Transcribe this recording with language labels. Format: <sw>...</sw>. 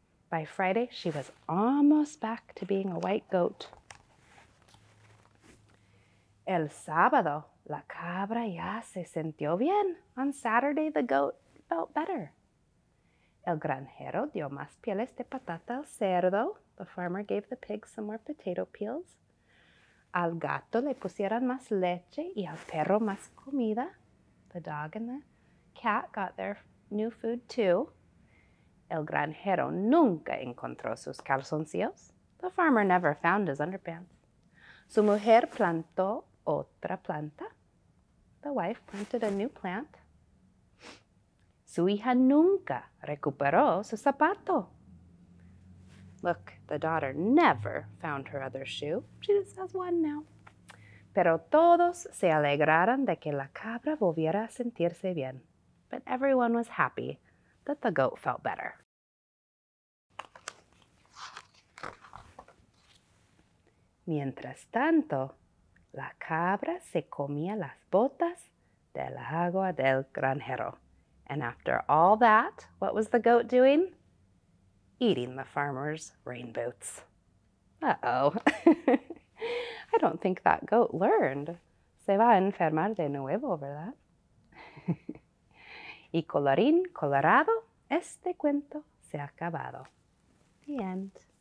<en>By Friday, she was almost back to being a white goat.</en> <es>El sábado, la cabra ya se sintió bien.</es> <en>On Saturday, the goat felt better.</en> <es>El granjero dio más pieles de patata al cerdo.</es> <en>The farmer gave the pig some more potato peels.</en> <es>Al gato le pusieron más leche y al perro más comida.</es> <en>The dog and the cat got their new food too.</en> <es>El granjero nunca encontró sus calzoncillos.</es> <en>The farmer never found his underpants.</en> <es>Su mujer plantó otra planta.</es> <en>The wife planted a new plant.</en> <es>Su hija nunca recuperó su zapato.</es> <en>Look, the daughter never found her other shoe. She just has one now.</en> <es>Pero todos se alegraron de que la cabra volviera a sentirse bien.</es> <en>But everyone was happy that the goat felt better.</en> <es>Mientras tanto, la cabra se comía las botas del agua del granjero.</es> <en>And after all that, what was the goat doing? Eating the farmer's rain boots. Uh-oh. I don't think that goat learned.</en> <es>Se va a enfermar de nuevo, ¿verdad? Y colorín colorado, este cuento se ha acabado.</es> <en>The end.</en>